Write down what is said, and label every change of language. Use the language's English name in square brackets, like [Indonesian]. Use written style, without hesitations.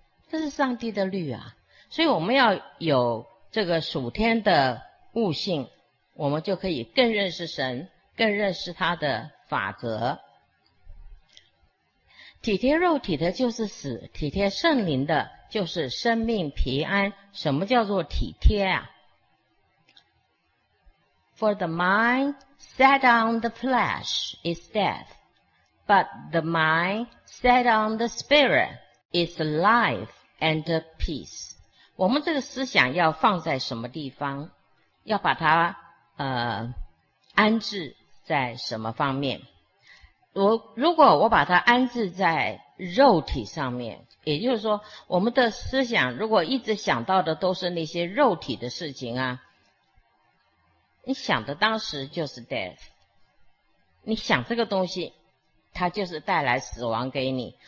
[Chinese] 这是上帝的律啊，所以我们要有这个属天的悟性，我们就可以更认识神，更认识他的法则。体贴肉体的就是死，体贴圣灵的就是生命平安。什么叫做体贴啊？ [English] For the mind set on the flesh is death, but the mind set on the spirit is life and peace. [Chinese] 我们这个思想要放在什么地方，要把它安置在什么方面。如果我把它安置在肉体上面，也就是说我们的思想如果一直想到的都是那些肉体的事情啊，你想的当时就是 death， 你想这个东西它就是带来死亡给你。